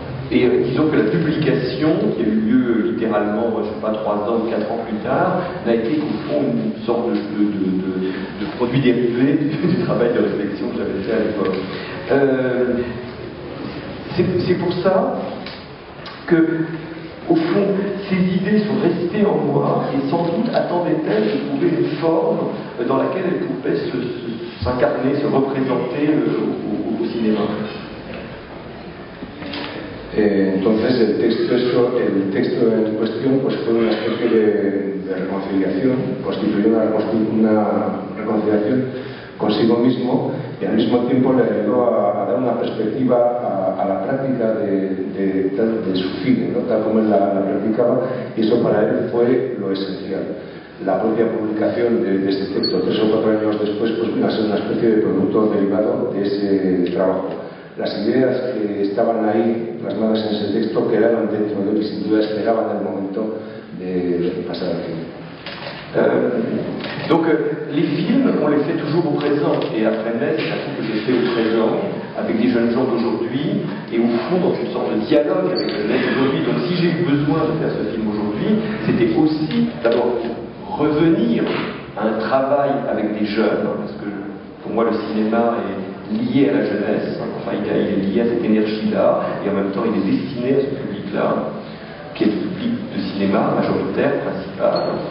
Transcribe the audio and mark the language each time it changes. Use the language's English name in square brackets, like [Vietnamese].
[French] Et disons que la publication, qui a eu lieu littéralement, je ne sais pas, 3 ans ou 4 ans plus tard, n'a été qu'au fond une sorte de produit dérivé du travail de réflexion que j'avais fait à l'époque. C'est pour ça que Au fond, ces idées sont restées en moi et sans doute attendaient-elles de trouver une forme dans laquelle elles pouvaient s'incarner, se représenter au cinéma. [Spanish] Entonces el texto en cuestión pues fue una especie de reconciliación, constituyó una reconciliación consigo mismo y al mismo tiempo le ayudó a dar una perspectiva a la práctica de su cine, ¿no? Tal como él la practicaba, y eso para él fue lo esencial. La propia publicación de este texto 3 o 4 años después pues vino a ser una especie de producto derivado de ese trabajo. Las ideas que estaban ahí plasmadas en ese texto quedaron dentro de él y sin duda esperaban el momento de pasar al cine. [French] Donc, les films, on les fait toujours au présent. Et après Metz, c'est un film que j'ai fait au présent, avec des jeunes gens d'aujourd'hui, et au fond, dans une sorte de dialogue avec le Metz d'aujourd'hui. Donc, si j'ai eu besoin de faire ce film aujourd'hui, c'était aussi d'abord revenir à un travail avec des jeunes, parce que pour moi, le cinéma est lié à la jeunesse, enfin, il est lié à cette énergie-là, et en même temps, il est destiné à ce public-là, qui est le public de cinéma majoritaire, principal.